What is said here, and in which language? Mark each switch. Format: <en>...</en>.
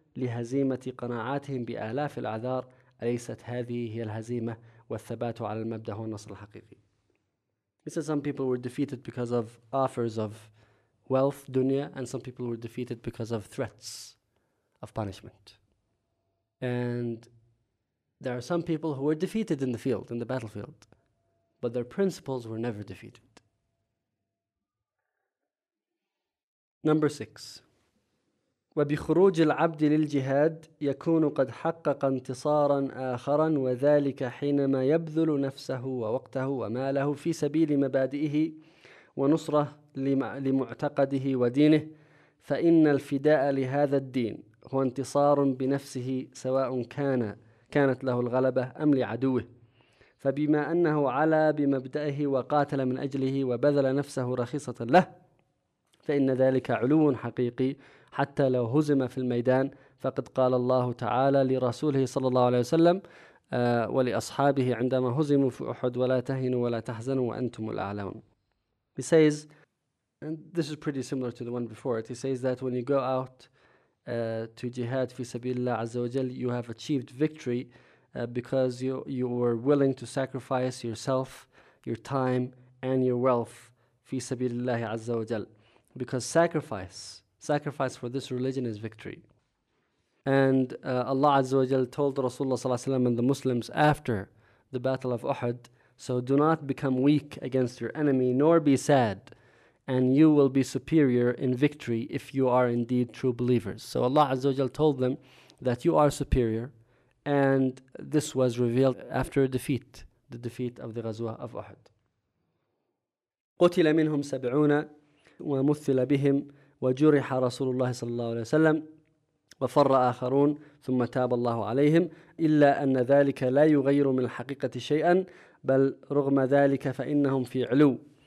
<ar>لهزيمة قناعاتهم بآلاف الأعذار، أليست هذه هي الهزيمة والثبات على المبدأ هو النصر الحقيقي؟</ar> <en>He said some people were defeated because of offers of wealth, dunya, and some people were defeated because of threats of punishment. And there are some people who were defeated in the field, in the battlefield, but their principles were never defeated. Number six.</en> <ar>وبخروج العبد للجهاد يكون قد حقق انتصارا آخرا وذلك حينما يبذل نفسه ووقته وماله في سبيل مبادئه ونصره لمعتقده ودينه فإن الفداء لهذا الدين هو انتصار بنفسه سواء كانت له الغلبة أم لعدوه فبما أنه علا بمبدئه وقاتل من أجله وبذل نفسه رخيصة له فإن ذلك علو حقيقي حتى لو هزم في الميدان فقد قال الله تعالى لرسوله صلى الله عليه وسلم ولأصحابه عندما هزموا في أحد ولا تهنوا ولا تحزنوا وأنتم الأعلون.</ar> <en>He says, and this is pretty similar to the one before it, he says that when you go out to jihad</en> <ar>في سبيل الله عز وجل,</ar> <en>you have achieved victory because you were willing to sacrifice yourself, your time and your wealth في سبيل الله عز وجل. Because sacrifice for this religion is victory. And Allah Azza wa Jal told Rasulullah Sallallahu Alaihi Wasallam and the Muslims after the Battle of Uhud, so do not become weak against your enemy, nor be sad, and you will be superior in victory if you are indeed true believers. So Allah Azza wa Jal told them that you are superior, and this was revealed after a defeat, the defeat of the Ghazwa of Uhud.</en> <ar>قُتِلَ مِنْهُمْ سَبْعُونَ ومثل بهم وجرح رسول الله صلى الله عليه وسلم وفر آخرون ثم تاب الله عليهم إلا أن ذلك لا يغير من الحقيقة شيئا بل رغم ذلك فإنهم في علو</ar>